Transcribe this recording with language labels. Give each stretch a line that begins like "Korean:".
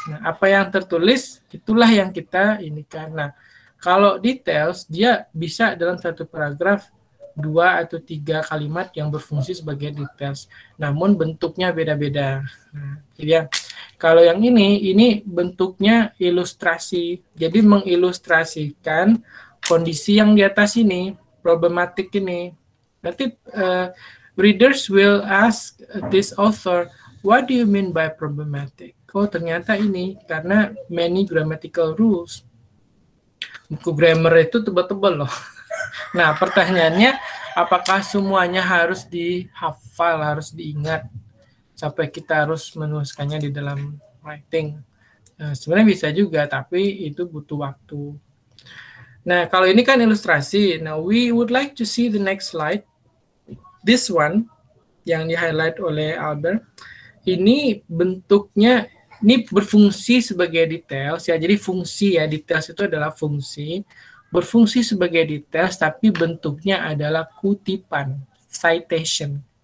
Indonesian: Nah, apa yang tertulis itulah yang kita ini karena kalau details dia bisa dalam satu paragraf dua atau tiga kalimat yang berfungsi sebagai details, namun bentuknya beda-beda. Nah, jadi ya, kalau yang ini bentuknya ilustrasi, jadi mengilustrasikan kondisi yang di atas ini, problematik ini.
English: Berarti readers will ask this author, what do you mean by problematic?
Indonesian: Oh, ternyata ini karena
English: many grammatical rules.
Indonesian: Buku grammar itu tebal-tebal loh. Nah, pertanyaannya, apakah semuanya harus dihafal, harus diingat, sampai kita harus menuliskannya di dalam writing? Nah, sebenarnya bisa juga, tapi itu butuh waktu. Nah, kalau ini kan ilustrasi.
English: Now, we would like to see the next slide. This one,
Indonesian: yang di-highlight oleh Albert. Ini bentuknya, ini berfungsi sebagai details, ya. Jadi fungsi ya, details itu adalah fungsi. Berfungsi sebagai details, tapi bentuknya adalah kutipan, citation.